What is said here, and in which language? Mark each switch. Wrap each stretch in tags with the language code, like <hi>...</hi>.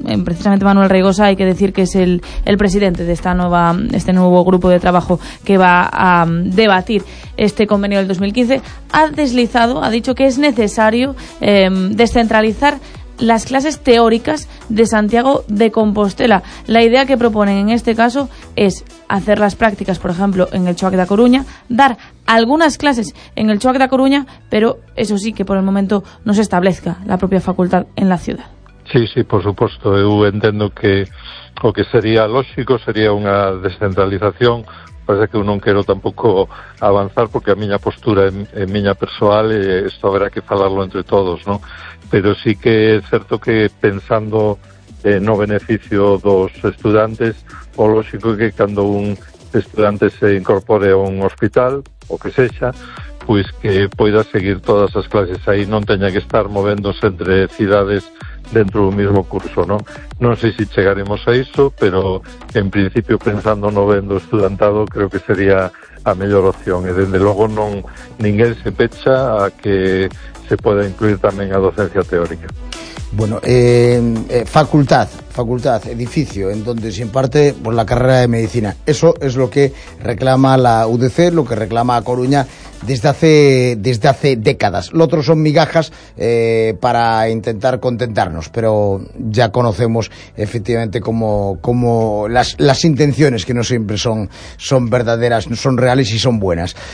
<es>precisamente Manuel Reigosa, hay que decir que es el presidente de este nuevo grupo de trabajo que va a debatir este convenio del 2015, ha dicho que es necesario descentralizar las clases teóricas de Santiago de Compostela. La idea que proponen en este caso es hacer las prácticas, por ejemplo, en el Choac de A Coruña, dar algunas clases en el Choac de A Coruña, pero eso sí, que por el momento no se establezca la propia facultad en la ciudad. Sí, sí, por supuesto.</es> <gl>Eu entendo que o que sería lógico sería unha descentralización. Parece que eu non quero tampouco avanzar, porque a miña postura é miña persoal, e isto haberá que falarlo entre todos, ¿no? Pero sí que é certo que, pensando no beneficio dos estudantes, o lógico é que cando un estudante se incorpore a un hospital, o que sexa, pois que poida seguir todas as clases aí, non teña que estar movéndose entre cidades dentro do mesmo curso, non? Non sei se chegaremos a iso, pero en principio, pensando no ben do estudantado, creo que sería a mellor opción. E, desde logo, non ninguén se pecha a que se poda incluir tamén a docencia teórica.</gl> <es>Bueno, facultad, edificio, en donde se imparte por la carrera de medicina. Eso es lo que reclama la UDC, lo que reclama a Coruña desde hace décadas. Lo otro son migajas para intentar contentarnos, pero ya conocemos efectivamente cómo las intenciones, que no siempre son verdaderas, son reales y son buenas.</es>